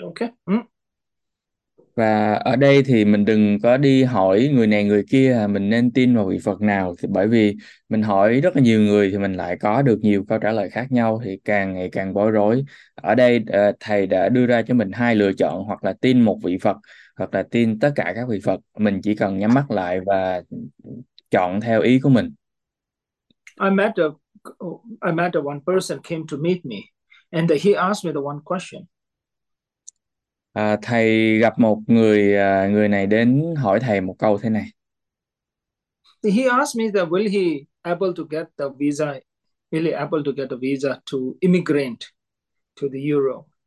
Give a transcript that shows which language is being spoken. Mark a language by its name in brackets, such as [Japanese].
[English] Okay? [Vietnamese] Và ở đây thì mình đừng có đi hỏi người này người kia mình nên tin vào vị Phật nào, thì bởi vì mình hỏi rất là nhiều người thì mình lại có được nhiều câu trả lời khác nhau thì càng ngày càng bối rối. Ở đây thầy đã đưa ra cho mình hai lựa chọn, hoặc là tin một vị Phật hoặc là tin tất cả các vị Phật. Mình chỉ cần nhắm mắt lại và chọn theo ý của mình. [English] I met a one person came to meet me, and he asked me the one question. [Vietnamese] Thầy gặp một người người này đến hỏi thầy một câu thế này. [English] He asked me that will he able to get the visa, will he able to get a visa to immigrate to the Euro?